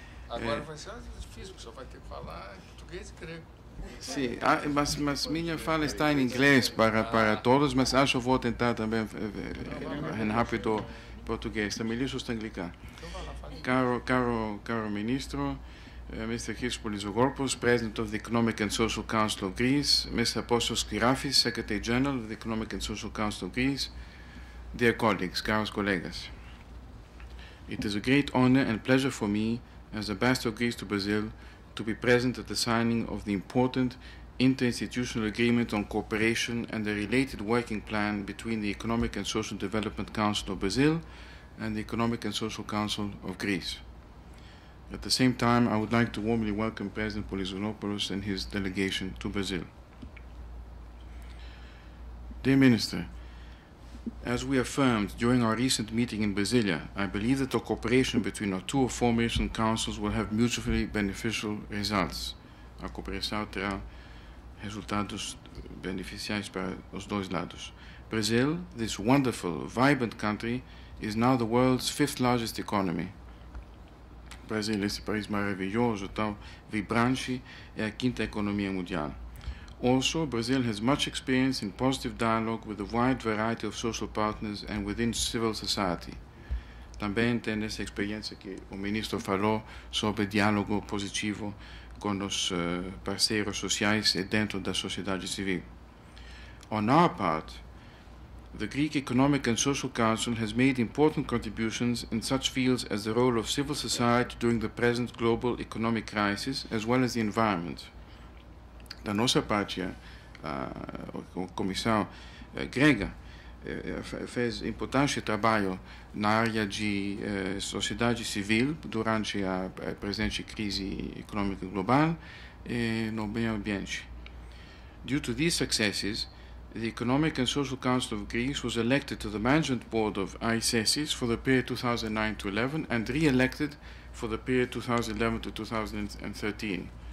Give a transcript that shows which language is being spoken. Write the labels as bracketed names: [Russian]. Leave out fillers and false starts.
[Portuguese] Agora vai ser difícil, só vai ter que falar português e grego. Sim, mas minha fala está em inglês para todos, mas acho que vou tentar também em rápido português. Também lhe sou anglicano. Caro ministro, Mr. [English] Hirspolis Ogorpos, President of the Economic and Social Council of Greece, Mr. Apostolos Kyrafis, Secretary General of the Economic and Social Council of Greece, dear colleagues, [Portuguese] caros colegas, [English] it is a great honor and pleasure for me as Ambassador of Greece to Brazil to be present at the signing of the important Interinstitutional Agreement on Cooperation and the Related Working Plan between the Economic and Social Development Council of Brazil and the Economic and Social Council of Greece. At the same time, I would like to warmly welcome President Polizonopoulos and his delegation to Brazil. Dear Minister, as we affirmed during our recent meeting in Brasilia, I believe that the cooperation between our two aforementioned councils will have mutually beneficial results. [Portuguese] A cooperação terá resultados beneficiais para os dois lados. [English] Brazil, this wonderful, vibrant country, is now the world's fifth largest economy. [Portuguese] Brasil, esse país maravilhoso, tão vibrante, é a quinta economia mundial. [English] Also, Brazil has much experience in positive dialogue with a wide variety of social partners and within civil society. [Portuguese] Também tem essa experiência que o ministro falou sobre diálogo positivo com os parceiros sociais e dentro da sociedade civil. [English] On our part, the Greek Economic and Social Council has made important contributions in such fields as the role of civil society during the present global economic crisis, as well as the environment. [Portuguese] Da nossa parte, a comissão grega fez importante trabalho na área de sociedade civil durante a presente crise econômica global e no meio ambiente. [English] Due to these successes, the Economic and Social Council of Greece was elected to the Management Board of ICESIS for the period 2009-11 and re-elected for the period 2011-2013.